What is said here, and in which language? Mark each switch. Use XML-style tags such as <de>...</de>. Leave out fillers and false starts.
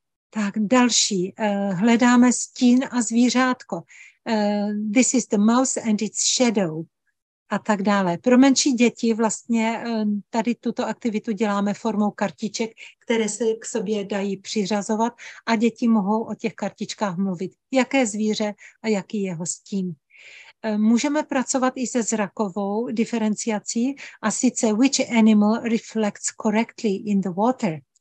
<cs>Tak další, hledáme stín a zvířátko.</cs> <en>This is the mouse and its shadow</en> <cs>a tak dále. Pro menší děti vlastně tady tuto aktivitu děláme formou kartiček, které se k sobě dají přiřazovat a děti mohou o těch kartičkách mluvit, jaké zvíře a jaký jeho stín. Můžeme pracovat i se zrakovou diferenciací, a sice</cs> <en>which animal reflects correctly in the water.</en>